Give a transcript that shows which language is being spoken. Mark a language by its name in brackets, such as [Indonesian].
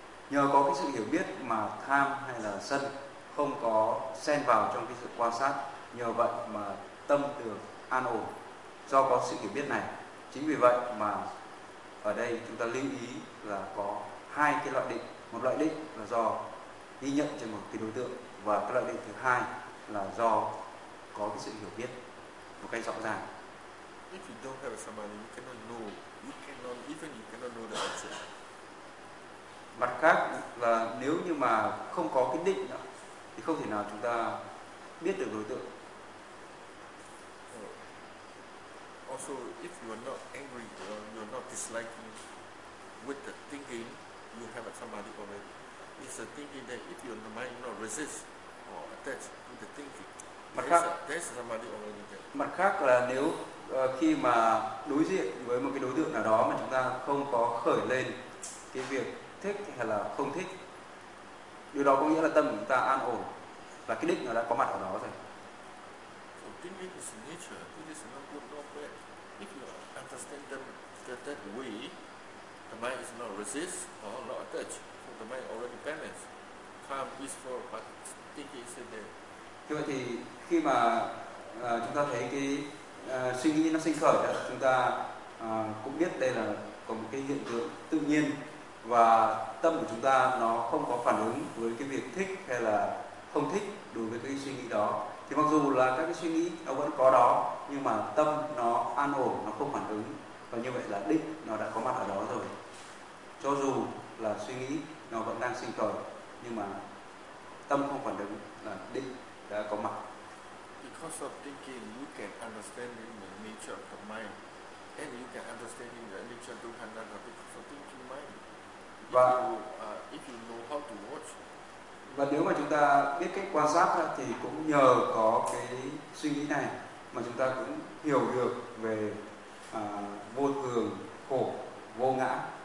[Vietnamese] Nhờ có cái sự hiểu biết mà tham hay là sân không có xen vào trong cái sự quan sát, nhờ vậy mà tâm được an ổn do có sự hiểu biết này. Chính vì vậy mà ở đây chúng ta lưu ý là có hai cái loại định. Một loại định là do ghi nhận trên một cái đối tượng, và cái loại định thứ hai là do có cái sự hiểu biết một cách rõ ràng. [English] If you don't have somebody, you cannot know. You cannot, even you cannot know the answer. [Vietnamese] Mặt khác là nếu như mà không có cái định đó, thì không thể nào chúng ta biết được đối tượng. [English] Also, if you are not angry or you are not disliking with the thinking, you have a samadhi already. It's a thinking that if your mind not resist or attached to the thinking, there's a samadhi already there. [Vietnamese] Mặt khác là nếu khi mà đối diện với một cái đối tượng nào đó mà chúng ta không có khởi lên cái việc thích hay là không thích, điều đó có nghĩa là tâm của chúng ta an ổn, là cái định nó đã có mặt ở đó rồi. [English] Thinking is nature. It is not good nor bad. If you understand them that way, the mind is not resist or not attached. So the mind already balanced, calm, peaceful, but thinking is there. [Vietnamese] Thế vậy thì khi mà chúng ta thấy cái suy nghĩ nó sinh khởi, chúng ta cũng biết đây là có một cái hiện tượng tự nhiên, và tâm của chúng ta nó không có phản ứng với cái việc thích hay là không thích đối với cái suy nghĩ đó. Thì mặc dù là các cái suy nghĩ nó vẫn có đó, nhưng mà tâm nó an ổn, nó không phản ứng, và như vậy là định nó đã có mặt ở đó rồi. Cho dù là suy nghĩ nó vẫn đang sinh khởi, nhưng mà tâm không phản ứng là định đã có mặt. [English] Because of thinking, you can understand the nature of the mind, and you can understand the nature of dukkha because of thinking mind. If you know how to watch. [Vietnamese] Và nếu mà chúng ta biết cách quan sát thì cũng nhờ có cái suy nghĩ này mà chúng ta cũng hiểu được về vô thường, khổ, vô ngã.